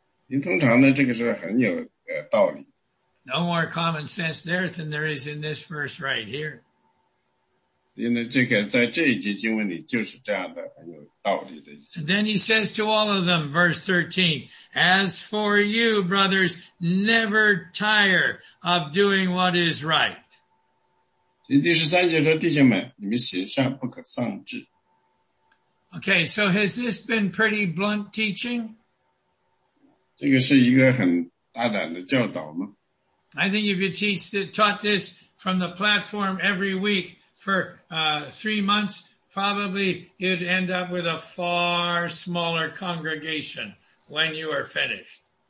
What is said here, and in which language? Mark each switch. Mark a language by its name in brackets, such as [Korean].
[Chinese] 通常呢,这个是很有道理。 [English] No more common sense there than there is in this verse right here. [Chinese] 因为这个在这一节经文里就是这样的,很有道理的意思。 [English] And then he says to all of them, verse 13, as for you, brothers, never tire of doing what is right. [Chinese] 第十三节说,弟兄们,你们行善不可丧志。 [English] Okay, so has this been pretty blunt teaching? [Chinese] 这个是一个很大胆的教导吗? [English] I think if you taught this from the platform every week for 3 months, probably you'd end up with a far smaller congregation when you are finished.